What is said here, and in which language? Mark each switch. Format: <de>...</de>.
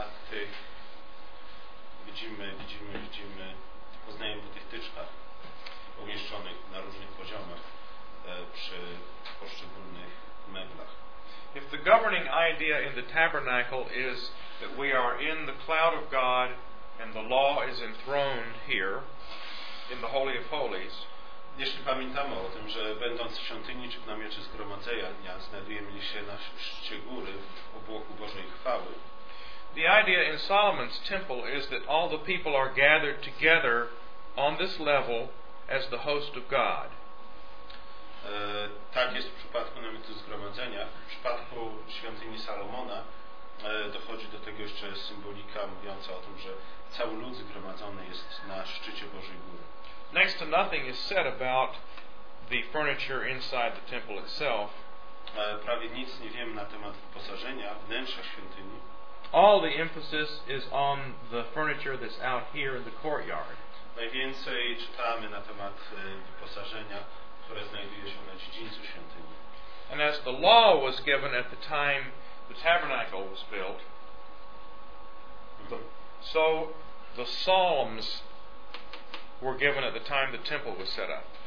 <pl>tych widzimy, poznajemy po tych tyczkach umieszczonych na różnych poziomach przy poszczególnych meblach.</pl> <en>If the governing idea in the tabernacle is that we are in the cloud of God and the law is enthroned here in the Holy of Holies.</en> <pl>Jeśli pamiętamy o tym, że będąc w świątyni czy w namiocie zgromadzenia znajdujemy się na szczycie góry w obłoku Bożej chwały.</pl> <en>The idea in Solomon's temple is that all the people are gathered together on this level as the host of God.</en> <pl>Tak jest w przypadku namiotu zgromadzenia. W przypadku świątyni Salomona dochodzi do tego jeszcze symbolika mówiąca o tym, że cały lud zgromadzony jest na szczycie Bożej góry.</pl> <en>Next to nothing is said about the furniture inside the temple itself.</en> <pl>Prawie nic nie wiemy na temat wyposażenia wnętrza świątyni.</pl> <en>All the emphasis is on the furniture that's out here in the courtyard.</en> <pl>Najwięcej czytamy na temat wyposażenia, które znajduje się na dziedzińcu świątyni.</pl> <en>And as the law was given at the time the tabernacle was built, so the psalms were given at the time the temple was set up.</en>